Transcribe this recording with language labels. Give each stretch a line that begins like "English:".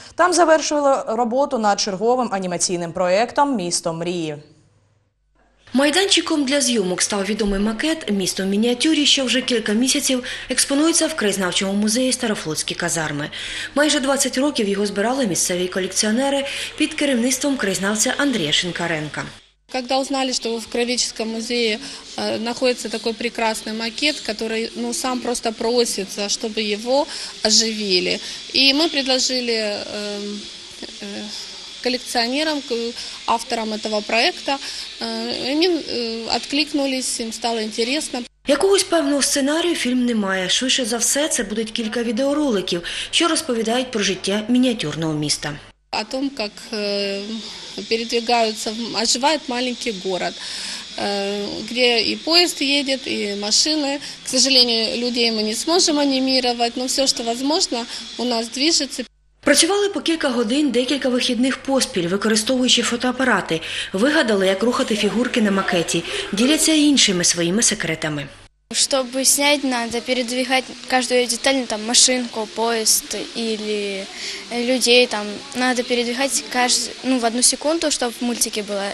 Ukrainian: Там завершили роботу над черговим анімаційним проєктом «Місто мрії». Майданчиком для зйомок став відомий макет «Місто в мініатюрі», що вже кілька місяців експонується в краєзнавчому музеї «Старофлотські казарми». Майже 20 років його збирали місцеві колекціонери під керівництвом краєзнавця Андрія Шинкаренка.
Russian: Когда узнали, что в Краеведческом музее находится такой прекрасный макет, который ну, сам просто просится, чтобы его оживили. И мы предложили коллекционерам, авторам этого проекта, они откликнулись, им стало интересно.
Ukrainian: Якогось певного сценарію фільм немає. Швидше за все, це будуть кілька відеороликів, що розповідають про життя мініатюрного міста.
Russian: О том, как передвигаются, оживает маленький город, где и поезд едет, и машины. К сожалению, людей мы не сможем анимировать, но все, что возможно, у нас движется.
Ukrainian: Працювали по кілька годин, декілька вихідних поспіль, використовуючи фотоапарати. Вигадали, як рухати фігурки на макеті. Діляться іншими своїми секретами. Щоб зняти, треба передвигати кожну деталь, там машинку, поїзд, або людей, там, треба передвигати кожну, в одну секунду, щоб в мультики було.